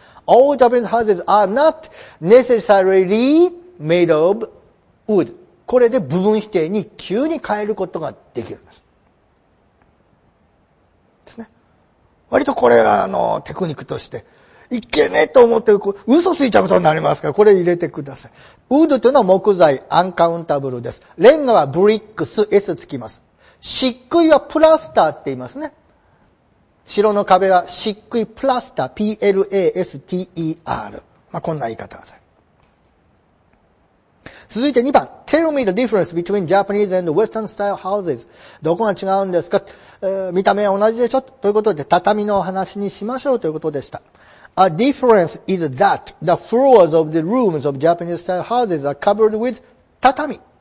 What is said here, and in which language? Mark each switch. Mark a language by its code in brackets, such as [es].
[en] All Japanese houses are not necessarily made of wood. [ja] これで部分否定に急に変えることができるんです。ですね。割とこれはテクニックとして、いけねえと思ってこう、嘘ついちゃうことになりますから、これ入れてください。 wood というのは木材、アンカウンタブルです。レンガはブリックス、S つきます。漆喰はプラスターって言いますね。城の壁は漆喰プラスター、P-L-A-S-T-E-R。まあ、こんな言い方です。続いて2番。 [en] Tell me the difference between Japanese and Western style houses. [ja] どこが違うんですか、見た目は同じでしょということで、畳の話にしましょうということでした。 [en] A difference is that the floors of the rooms of Japanese style houses are covered with 畳.